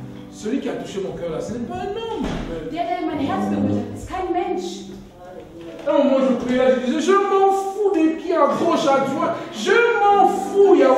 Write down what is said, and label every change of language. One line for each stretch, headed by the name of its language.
French: Celui qui a touché mon cœur là, ce n'est pas un homme.
German: Der mein Herz berührt hat, ist kein Mensch.
French: Non, moi je priais, je disais, je m'en fous de qui à gauche, à droite, je m'en fous, il y a un